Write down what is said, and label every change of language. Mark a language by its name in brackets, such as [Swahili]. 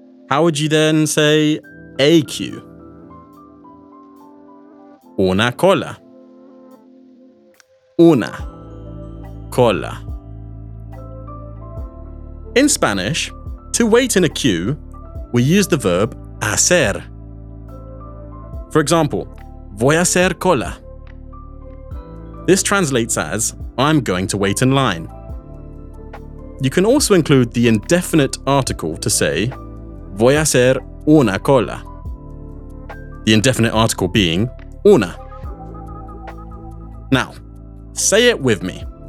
[English] How would you then say a queue? [Spanish] Una cola. Una cola. [English] In Spanish, to wait in a queue, we use the verb hacer. For example, [Spanish] voy a hacer cola. [English] This translates as, I'm going to wait in line. You can also include the indefinite article to say, [Spanish] voy a hacer una cola. [English] The indefinite article being una. Now, say it with me.